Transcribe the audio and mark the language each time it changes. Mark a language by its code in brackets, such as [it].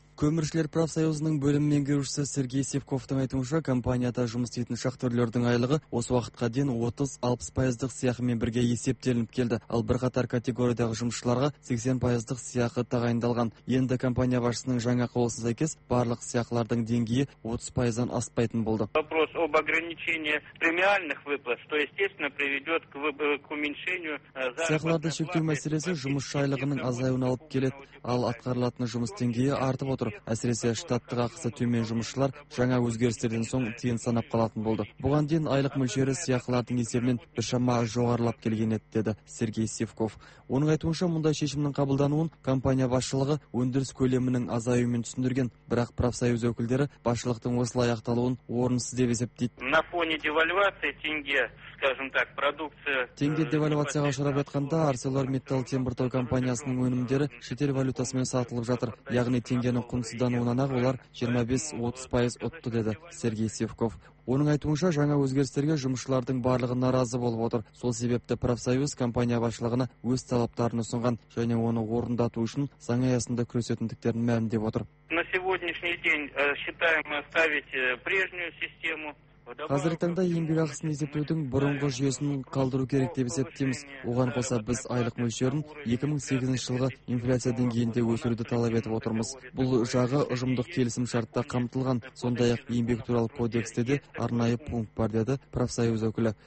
[kk] Көміршілер профсоюзының бөлім меңгерушісі Сергей Севковтың айтуынша, компанияда жұмыс істейтін шахтерлердің айлығы осы уақытқа дейін 30-60% сыйақымен бірге есептелініп келді. Ал бірқатар категориядағы жұмысшыларға 80% сыйақы тағайындалған. Енді компания басшысының жаңа қаулысына сәйкес барлық сыйақылардың деңгейі 30%-дан аспайтын болды. [ru] Вопрос об ограничении премиальных выплат, что естественно приведет к уменьшению заработной. [kk] Сыйақыларды шектеу мәселесі жұмысшы айлығының азаюына алып келеді. Ал атқарылатын жұмыс деңгейі артып отыр. Әсіресе штаттық ақысы төмен жұмысшылар жаңа өзгерістерден соң тиын санап қалатын болды. Бұған дейін айлық мөлшері сыйақылардың есебінен біршама жоғарылап келген еді, деді Сергей Севков. Оның айтуынша, мұндай шешімнің қабылдануын компания басшылығы өндіріс көлемінің азаюымен түсіндірген, бірақ профсоюз өкілдері басшылықтың осылай аяқталуын орынсыз деп есептейді. [ru] На фоне девальвации теңге, скажем так, продукция. [kk] Теңге девальвацияға ұшырап жатқанда ArcelorMittal Теміртау компаниясының өнімдері шетел валютасымен сатылып жатыр. Яғни теңгенің құнсыздануынан ақ олар 25-30% ұтты, деді Сергей Севков. Оның айтуынша, жаңа өзгерістерге жұмысшылардың барлығы наразы болып отыр. Сол себепті профсоюз компания басшылығына өз талаптарын ұсынған және оны орындату үшін заң аясында күресетіндіктерін мәлімдеп отыр. [ru] На сегодняшний день считаем оставить прежнюю систему. [kk] Қазіргі таңда еңбекақысын есептеудің бұрынғы жүйесін қалдыру керек деп есептейміз. Оған қоса біз айлық мөлшерін 2008 жылғы инфляция деңгейінде өсіруді талап етіп отырмыз. Бұл жағы ұжымдық келісім шартта қамтылған, сондай-ақ еңбек туралы кодексте де арнайы пункт бар, деді профсоюз өкілі.